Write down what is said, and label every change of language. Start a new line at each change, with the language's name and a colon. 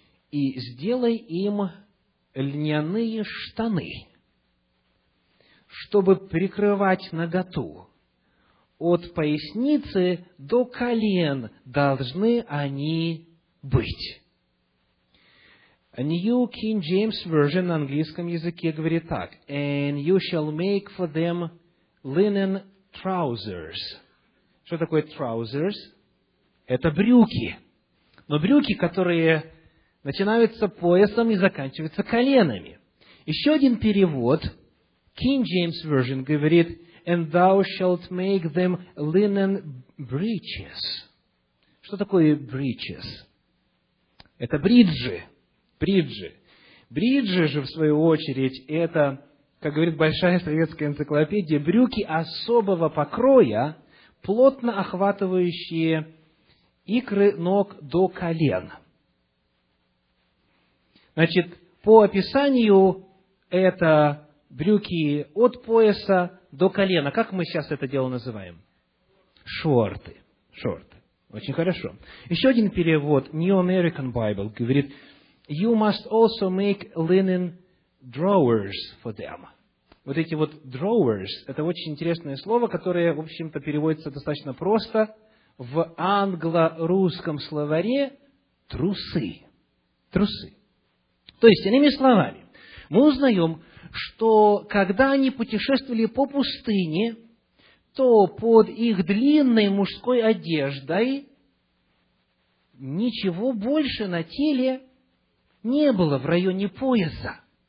Russian: «И сделай им льняные штаны, чтобы прикрывать наготу. От поясницы до колен должны они быть». A New King James Version на английском языке говорит так.
English: And you shall make for them linen trousers.
Russian: Что такое trousers? Это брюки. Но брюки, которые начинаются поясом и заканчиваются коленами. Еще один перевод. King James Version говорит.
English: And thou shalt make them linen breeches.
Russian: Что такое breeches? Это бриджи. Бриджи. Бриджи же, в свою очередь, это, как говорит большая советская энциклопедия, брюки особого покроя, плотно охватывающие икры ног до колен. Значит, по описанию, это брюки от пояса до колена. Как мы сейчас это дело называем? Шорты. Шорты. Очень хорошо. Еще один перевод, New American Bible, говорит...
English: You must also make linen drawers for them.
Russian: Вот эти вот drawers, это очень интересное слово, которое, в общем-то, переводится достаточно просто. В англо-русском словаре трусы. Трусы. То есть, иными словами, мы узнаем, что когда они путешествовали по пустыне, то под их длинной мужской одеждой ничего больше на теле не было в районе пояса.